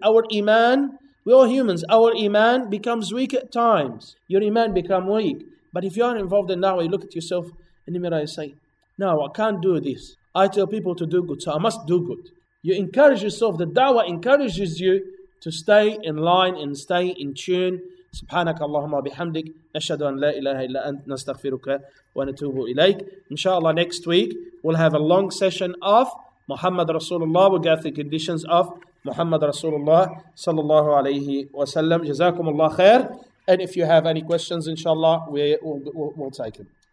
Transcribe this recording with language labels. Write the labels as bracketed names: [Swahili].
[English] Our iman, we're all humans. Our iman becomes weak at times. Your iman becomes weak. But if you are involved in da'wah, you look at yourself in the mirror and say, no, I can't do this. I tell people to do good, so I must do good. You encourage yourself, the da'wah encourages you to stay in line and stay in tune. [Arabic] سبحانك اللهم وبحمدك نشهد أن لا إله إلا أنت نستغفرك ونتوب إليك إن شاء الله. [English] Next week we'll have a long session of Muhammad Rasulullah. We'll get the conditions of Muhammad Rasulullah صلى الله عليه وسلم. [Arabic] جزاكم الله خير. [English] And if you have any questions, inshallah, we will take them.